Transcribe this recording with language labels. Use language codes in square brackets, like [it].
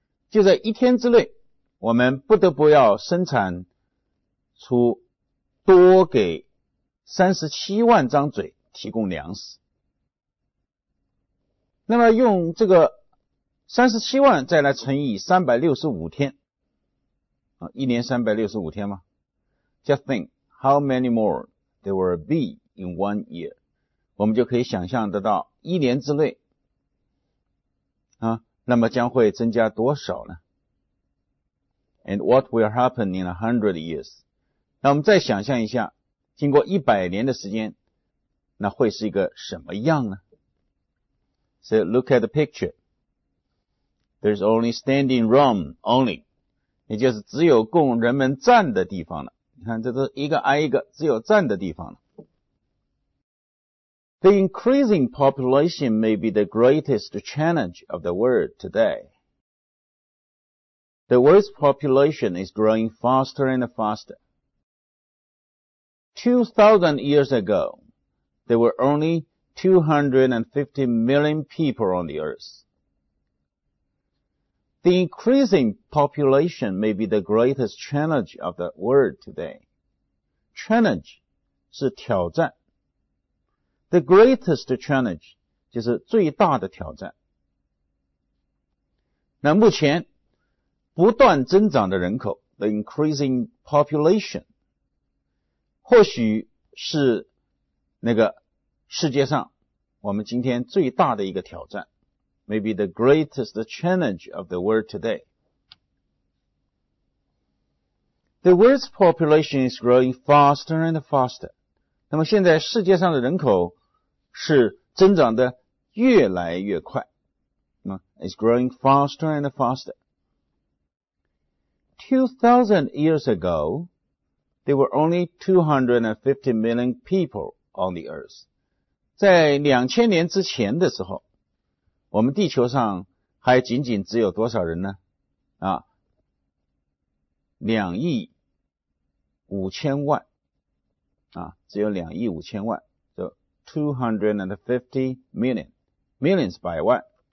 [zh] 就在一天之内，我们不得不要生产出多给37万张嘴提供粮食。那么用这个37万再来乘以365天。一年365天吗？ [en] Just think how many more there will be in 1 year. [zh] 我们就可以想象得到一年之内那么将会增加多少呢？ [en] And what will happen in 100 years? [zh] 那我们再想象一下经过100年的时间，那会是一个什么样呢？ [en] So look at the picture. There's only standing room, only. [zh] 也就是只有供人们站的地方了。你看，这都一个挨一个，只有站的地方了。 [en] The increasing population may be the greatest challenge of the world today. The world's population is growing faster and faster. 2,000 years ago, there were only 250 million people on the earth. The increasing population may be the greatest challenge of the world today. [zh] Challenge 是挑战。 [en] The greatest challenge [zh] 就是最大的挑战。那目前不断增长的人口 , [en] the increasing population, [zh] 或许是那个世界上我们今天最大的一个挑战， [en] maybe the greatest challenge of the world today. The world's population is growing faster and faster. [zh] 那么现在世界上的人口是增长的越来越快。 [en] It's growing faster and faster. 2,000 years ago, there were only 250 million people on the earth. [zh] 在2000年之前的时候，我们地球上还仅仅只有多少人呢？啊，2亿5千万，啊，只有2亿5千万，就250 million，millions 百万。